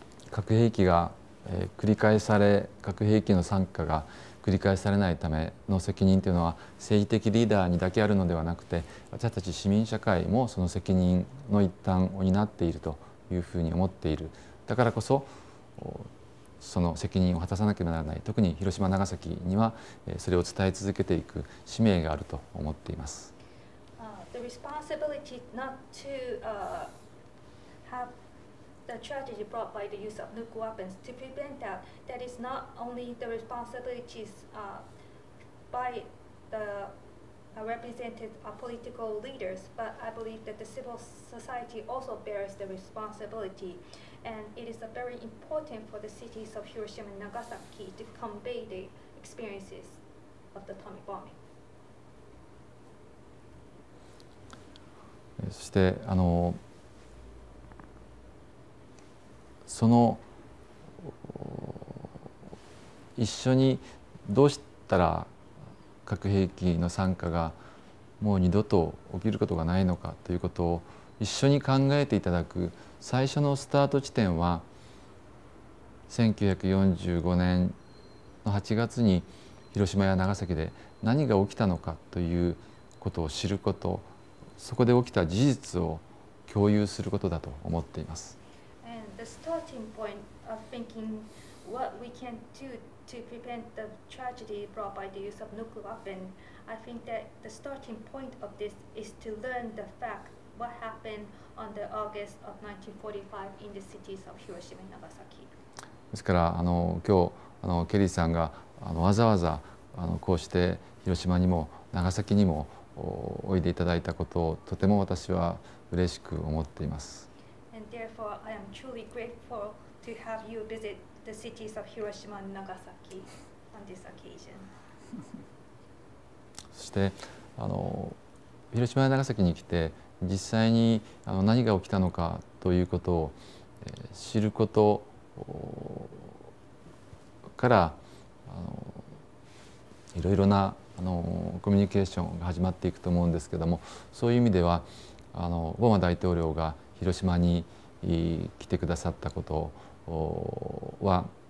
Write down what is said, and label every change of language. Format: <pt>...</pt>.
<ja>核兵器が繰り返され、核兵器の惨禍が繰り返されないための責任というのは政治的リーダーにだけあるのではなくて、私たち市民社会もその責任の一端を担っているというふうに思っている。だからこそその責任を果たさなければならない、特に広島長崎にはそれを伝え続けていく使命があると思っています。</ja> <en>The responsibility not to have the tragedy brought by the use of nuclear weapons to prevent that, that is not only the responsibility by therepresented political leaders, but I believe that the civil society also bears the responsibility, and it is very important for the cities of Hiroshima and Nagasaki to convey the experiences of the atomic bombing.</en> <ja>そしてその一緒にどうしたら核兵器の惨禍がもう二度と起きることがないのかということを一緒に考えていただく最初のスタート地点は、 1945年の8月に広島や長崎で何が起きたのかということを知ること、そこで起きた事実を共有することだと思っています。</ja> <en>And the starting point of thinking what we can do to prevent the tragedy brought by the use of nuclear weapon,I think that the starting point of this is to learn the fact what happened on the August of 1945 in the cities of Hiroshima and Nagasaki.</en> <ja>ですから今日ケリーさんがわざわざこうして広島にも長崎にもおいでいただいたことをとても私は嬉しく思っています。</ja> <en>And therefore, I am truly grateful to have you visit the cities of Hiroshima and Nagasaki on this occasion.</en> <ja>そして広島や長崎に来て実際に何が起きたのかということを知ることからいろいろなコミュニケーションが始まっていくと思うんですけども、そういう意味ではオバマ大統領が広島に来てくださったことは、</ja>